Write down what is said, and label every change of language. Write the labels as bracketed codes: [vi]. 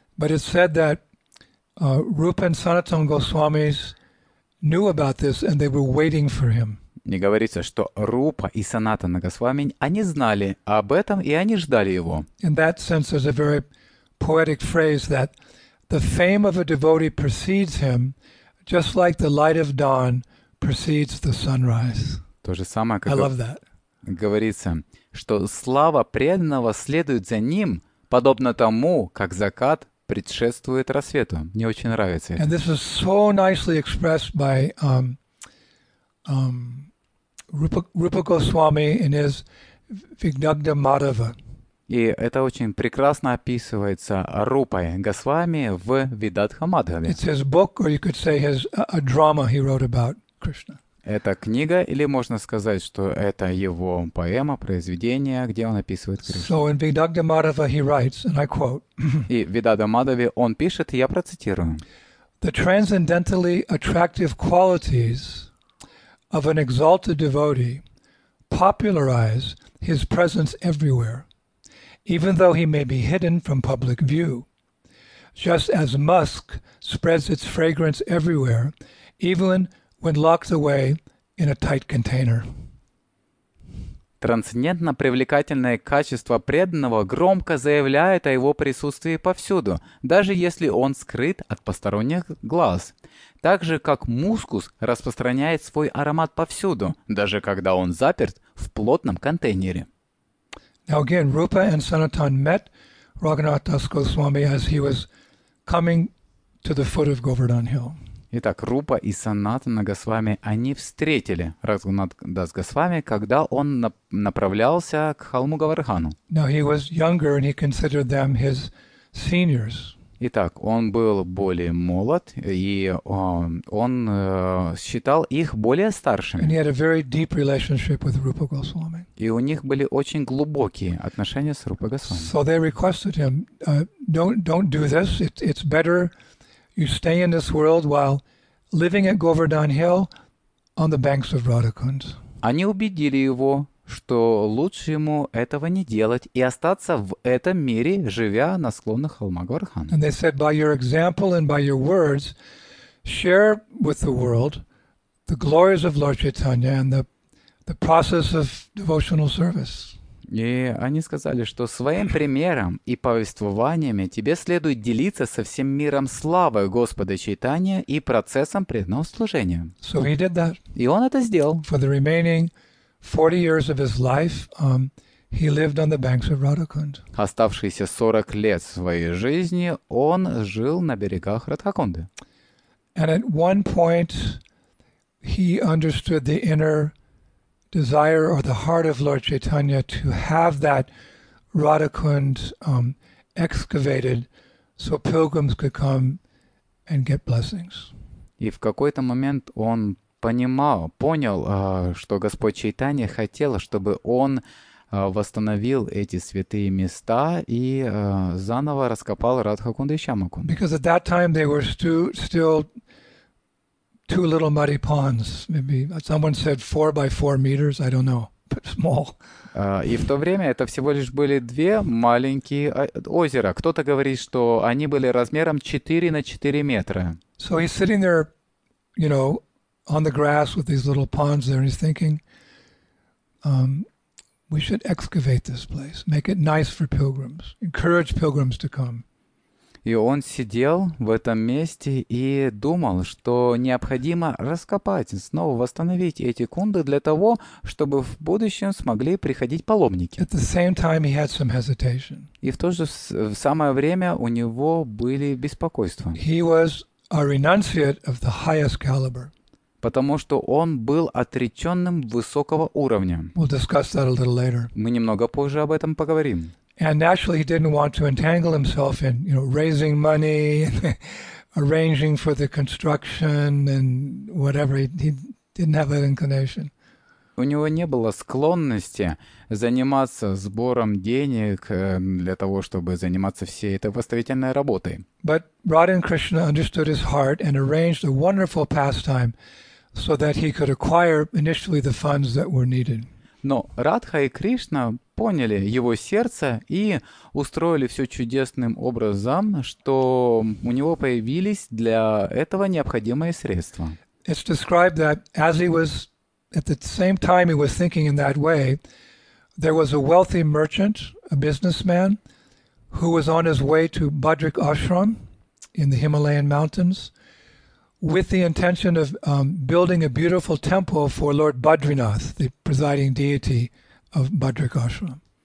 [en] But it's said that Rupa and Sanatana Goswamis knew about this and they were waiting for him. [ru] Не говорится, что Рупа и Санатана Госвами, они знали об этом и они ждали его. [en] In that sense, there's a very poetic phrase that the fame of a devotee precedes him, just like the light of dawn precedes the sunrise. [ru] То же самое, как [en] I love that. [ru] Говорится, что слава преданного следует за ним, подобно тому, как закат предшествует рассвету. Мне очень нравится это. [en] And this is so nicely expressed by Rupa Goswami in his Vignagda Madhava. [ru] И это очень прекрасно описывается Рупой Госвами в Видадха Мадхаве. [en] It's his book, or you could say his a drama he wrote about Krishna. [ru] Это книга, или можно сказать, что это его поэма, произведение, где он описывает Кришну. [en] So in Vidagda Madhava he writes, and I quote. [ru] И в Видагда Мадхаве он пишет, я процитирую. [en] The transcendentally attractive qualities of an exalted devotee popularize his presence everywhere, even though he may be hidden from public view. Just as musk spreads its fragrance everywhere, even when locked away in a tight container. [ru] Трансцендентно привлекательное качество преданного громко заявляет о его присутствии повсюду, даже если он скрыт от посторонних глаз. Так же, как мускус распространяет свой аромат повсюду, даже когда он заперт в плотном контейнере. [en] Now again, Rupa and Sanatan met Raghunath Das Goswami as he was coming to the foot of Govardhan Hill. [ru] Итак, Рупа и Санатана Госвами, они встретили Рагхунатх Дас Госвами, когда он направлялся к холму Говардхану. [en] Now he was younger and he considered them his seniors. [ru] Итак, он был более молод, и он считал их более старшими. [en] And he had a very deep relationship with Rupa Goswami. [ru] И у них были очень глубокие отношения с Рупой Госвами. [en] So they requested him, don't do this, it's better... You stay in this world while living at Govardhan Hill on the banks of Radhakund. [ru] Они убедили его, что лучше ему этого не делать и остаться в этом мире, живя на склонах холма Говардхана. [en] And they said, by your example and by your words, share with the world the glories of Lord Chaitanya and the process of devotional service. [ru] И они сказали, что своим примером и повествованиями тебе следует делиться со всем миром славы Господа Чайтанья и процессом преданного служения. [en] So he did that. [ru] И он это сделал. [en] For the remaining 40 years of his life, he lived on the banks of Radhakund. [ru] Оставшиеся 40 лет своей жизни он жил на берегах Радхакунды. [en] And at one point he understood the inner desire or the heart of Lord Chaitanya to have that Radhakund excavated so pilgrims could come and get blessings. [ru] И в какой-то момент он понял, что Господь Чайтанья хотел, чтобы он восстановил эти святые места и заново раскопал Радхакунду и Щамаку. [en] Because at that time they were still two little muddy ponds, maybe someone said 4 by 4 meters, I don't know, but small. [ru] И в то время это всего лишь были две маленькие озера. Кто-то говорит, что они были размером 4 на 4 метра. [en] So he's sitting there, you know, on the grass with these little ponds there, and he's thinking, we should excavate this place, make it nice for pilgrims, encourage pilgrims to come. [ru] И он сидел в этом месте и думал, что необходимо раскопать, снова восстановить эти кунды для того, чтобы в будущем смогли приходить паломники. [en] At the same time he had some hesitation. [ru] И в то же самое время у него были беспокойства. [en] He was a renunciate of the highest caliber. [ru] Потому что он был отреченным высокого уровня. [en] We'll discuss that a little later. [ru] Мы немного позже об этом поговорим. [en] And naturally, he didn't want to entangle himself in, you know, raising money, arranging for the construction, and whatever. He didn't have that inclination. [ru] У него не было склонности заниматься сбором денег для того, чтобы заниматься всей этой восстановительной работой. [en] But Radha and Krishna understood his heart and arranged a wonderful pastime so that he could acquire initially the funds that were needed. [ru] Но Радха и Кришна поняли его сердце и устроили все чудесным образом, что у него появились для этого необходимые средства. [en] It's described that as he was at the same time he was thinking in that way, there was a wealthy merchant, a businessman, who was on his way to Badrik Ashram in the Himalayan mountains with the intention of building a beautiful temple for Lord Badrinath, the presiding deity of Badrik Ashram.